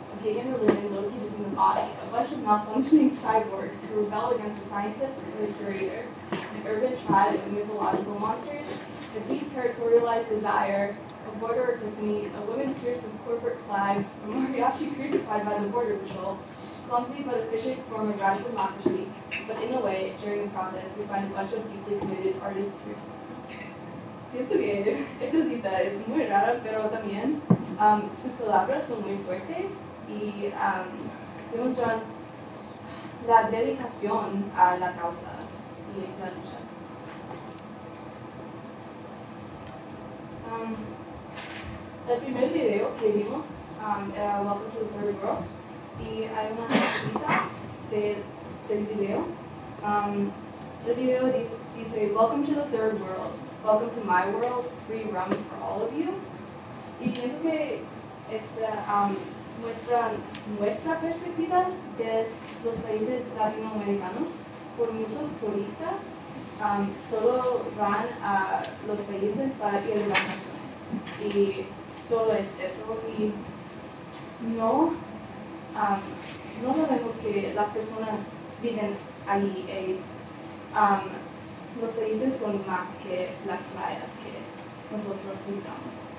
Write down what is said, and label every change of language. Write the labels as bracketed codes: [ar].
[en] Pagan religion located in the body, a bunch of malfunctioning cyborgs who rebel against the scientists and the curator, an urban tribe of mythological monsters, a deterritorialized desire, a border epiphany, a woman pierced with corporate flags, a mariachi crucified by the border patrol, clumsy but efficient form of radical democracy, but in a way, during the process, we find a bunch of deeply committed artists here. [es] Pienso que esa cita es muy rara, pero también sus palabras son muy fuertes. Y demostrar la dedicación a la causa y a la lucha. El primer video que vimos era Welcome to the Third World, y hay unas citas del video. El video dice, [en] Welcome to the Third World, Welcome to my world, free rum for all of you. [es] Y pienso que esta muestra perspectiva de los países latinoamericanos, por muchos turistas solo van a los países para ir de vacaciones, y solo es eso, y no sabemos que las personas viven allí, y los países son más que las playas que nosotros visitamos.